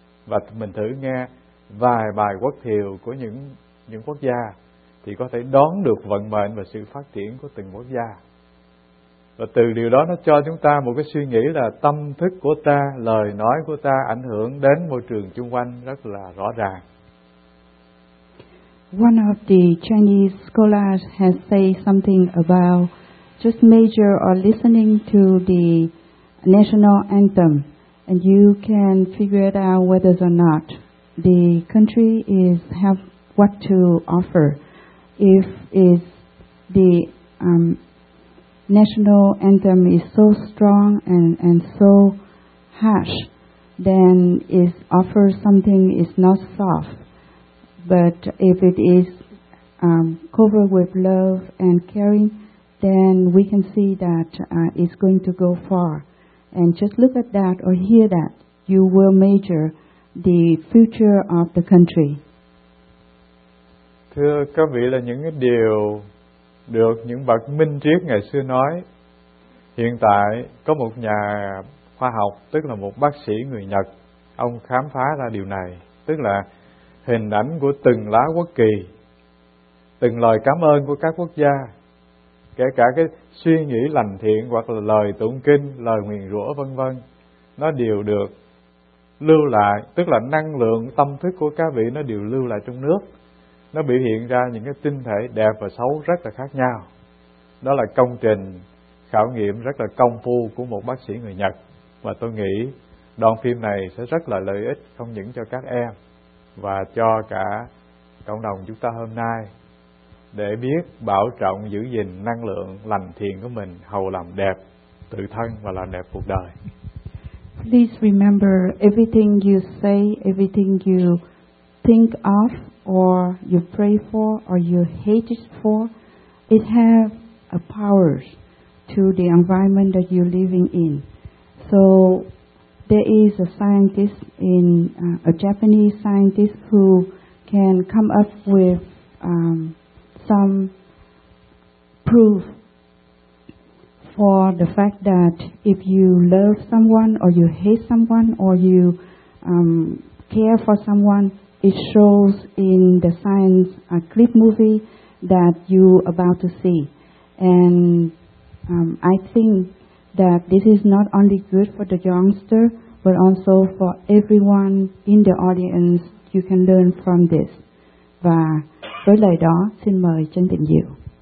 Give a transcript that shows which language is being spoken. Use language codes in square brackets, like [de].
[vi] Và mình thử nghe vài bài quốc thiều của những quốc gia thì có thể đoán được vận mệnh và sự phát triển của từng quốc gia. Và từ điều đó nó cho chúng ta một cái suy nghĩ là tâm thức của ta, lời nói của ta ảnh hưởng đến môi trường xung quanh rất là rõ ràng. [en] One of the Chinese scholars has said something about just measure or listening to the national anthem, and you can figure it out whether or not the country is have what to offer. If is the national anthem is so strong and so harsh, then it offers something is not soft. But if it is covered with love and caring, then we can see that it's going to go far. And just look at that or hear that, you will measure the future of the country. [vi] Thưa các vị, là những cái điều được những bậc minh triết ngày xưa nói. Hiện tại có một nhà khoa học, tức là một bác sĩ người Nhật, ông khám phá ra điều này, tức là hình ảnh của từng lá quốc kỳ, từng lời cảm ơn của các quốc gia, kể cả cái suy nghĩ lành thiện hoặc là lời tụng kinh, lời nguyền rủa vân vân, nó đều được lưu lại, tức là năng lượng tâm thức của các vị nó đều lưu lại trong nước. Nó biểu hiện ra những cái tinh thể đẹp và xấu rất là khác nhau. Đó là công trình khảo nghiệm rất là công phu của một bác sĩ người Nhật. Và tôi nghĩ đoạn phim này sẽ rất là lợi ích không những cho các em và cho cả cộng đồng chúng ta hôm nay, để biết bảo trọng giữ gìn năng lượng lành thiện của mình, hầu làm đẹp tự thân và làm đẹp cuộc đời. [en] Please remember, everything you say, everything you think of, or you pray for, or you hate it for, it have a power to the environment that you're living in. So there is a scientist in a Japanese scientist who can come up with some proof for the fact that if you love someone or you hate someone or you care for someone, it shows in the science clip movie that you about to see. And I think that this is not only good for the youngster, but also for everyone in the audience. You can learn from this. [vi] Và với lời đó, xin mời Trân Tịnh Diệu.